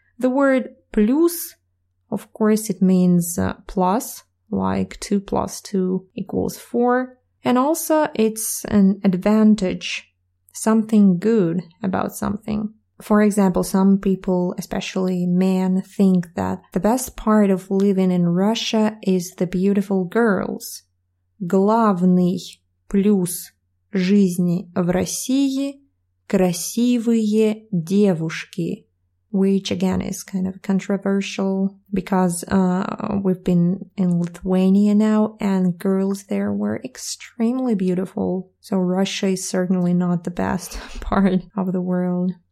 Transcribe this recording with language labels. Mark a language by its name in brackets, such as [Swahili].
[English] The word плюс, of course, it means plus, like 2 plus 2 equals 4. And also it's an advantage, something good about something. For example, some people, especially men, think that the best part of living in Russia is the beautiful girls. [Russian] Главный плюс жизни в России – красивые девушки. [English] Which, again, is kind of controversial because we've been in Lithuania now and girls there were extremely beautiful. So Russia is certainly not the best part of the world.